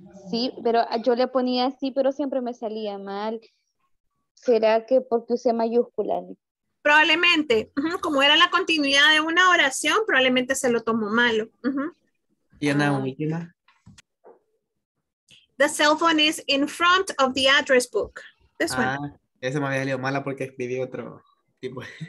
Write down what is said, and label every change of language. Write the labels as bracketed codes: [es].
[es] Sí, pero yo le ponía así, pero siempre me salía mal. ¿Será que porque usé mayúscula? Probablemente. Uh-huh. Como era la continuidad de una oración, probablemente se lo tomó malo. Uh-huh. ¿Y una última? [en] The cell phone is in front of the address book. This one. [es] Ah, esa me había salido mala porque escribí otro tipo.